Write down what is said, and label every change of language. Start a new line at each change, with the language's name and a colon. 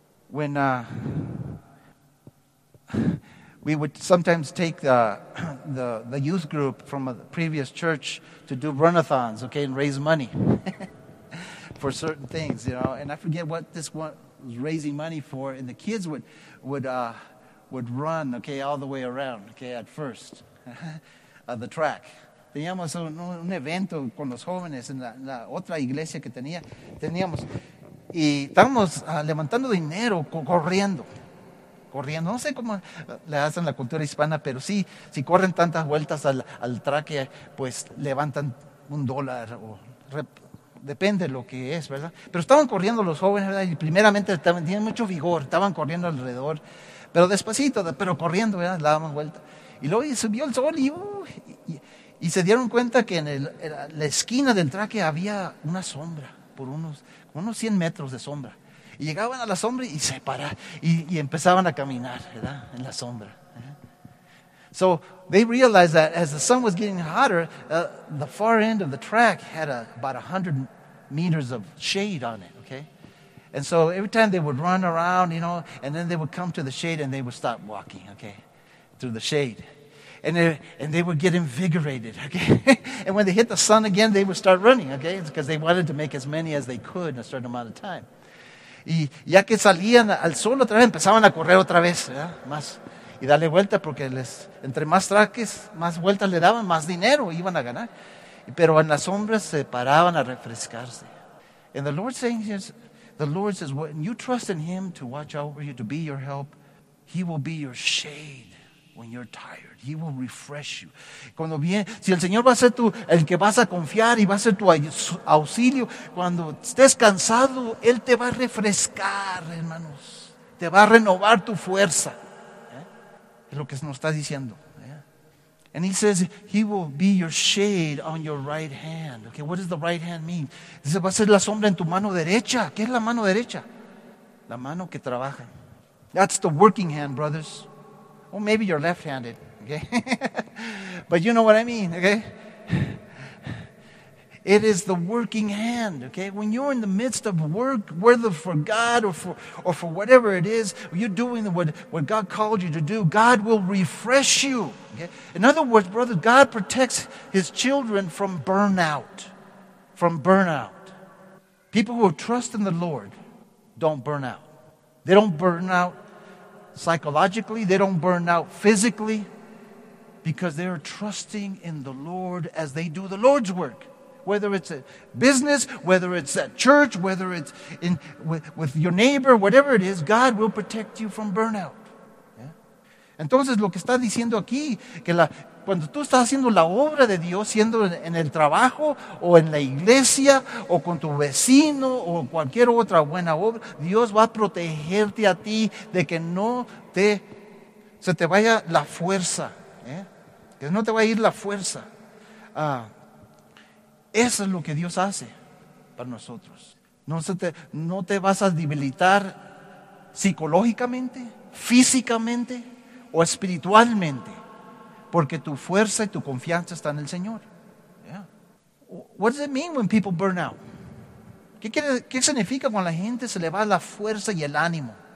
English: When we would sometimes take the youth group from a previous church to do runathons, okay, and raise money for certain things, you know. And I forget what this one was raising money for, and the kids would run, okay, all the way around, okay, at first, the track.
Spanish: Teníamos un evento con los jóvenes en la otra iglesia que teníamos, y estábamos levantando dinero, corriendo, no sé cómo le hacen la cultura hispana, pero sí, si corren tantas vueltas al track, pues levantan un dólar, o depende lo que es, ¿verdad? Pero estaban corriendo los jóvenes, ¿verdad? Y primeramente tenían mucho vigor, estaban corriendo alrededor, pero despacito, pero corriendo, ¿verdad? La damos vuelta. Y luego subió el sol y se dieron cuenta que en la esquina del traque había una sombra, por unos 100 metros de sombra. Y llegaban a la sombra y se paraban y empezaban a caminar, ¿verdad? En la sombra.
English: So they realized that as the sun was getting hotter, the far end of the track had about 100 meters of shade on it, okay? And so every time they would run around, you know, and then they would come to the shade and they would stop walking, okay, through the shade. And they would get invigorated, okay? And when they hit the sun again, they would start running, okay? It's because they wanted to make as many as they could in a certain amount of time.
Spanish: Y ya que salían al sol otra vez, empezaban a correr otra vez, ¿verdad? Más. Y darle vuelta porque entre más traques, más vueltas le daban, más dinero iban a ganar. Pero en las sombras se paraban a refrescarse.
English: And the Lord saying here, the Lord says, when you trust in Him to watch over you, to be your help, He will be your shade when you're tired. He will refresh you.
Spanish: Cuando viene, si el Señor va a ser el que vas a confiar y va a ser tu auxilio, cuando estés cansado, Él te va a refrescar, hermanos. Te va a renovar tu fuerza. Es lo que nos está diciendo.
English: And he says, he will be your shade on your right hand. Okay, what does the right hand mean?
Spanish: Dice, va a ser la sombra en tu mano derecha. ¿Qué es la mano derecha? La mano que trabaja.
English: That's the working hand, brothers. Or maybe you're left-handed, okay? But you know what I mean, okay? It is the working hand, okay? When you're in the midst of work, whether for God or for whatever it is, you're doing what God called you to do, God will refresh you, okay? In other words, brother, God protects His children from burnout. People who trust in the Lord don't burn out. They don't burn out psychologically. They don't burn out physically because they are trusting in the Lord as they do the Lord's work. Whether it's a business, whether it's at church, whether it's with your neighbor, whatever it is, God will protect you from burnout. Yeah?
Spanish: Entonces, lo que está diciendo aquí, que cuando tú estás haciendo la obra de Dios, siendo en el trabajo, o en la iglesia, o con tu vecino, o cualquier otra buena obra, Dios va a protegerte a ti de que no se te vaya la fuerza. Yeah? Que no te vaya a ir la fuerza. Eso es lo que Dios hace para nosotros. No te vas a debilitar psicológicamente, físicamente o espiritualmente, porque tu fuerza y tu confianza están en el Señor.
English: Yeah. What does it mean when people burn out?
Spanish: ¿Qué significa cuando la gente se le va la fuerza y el ánimo?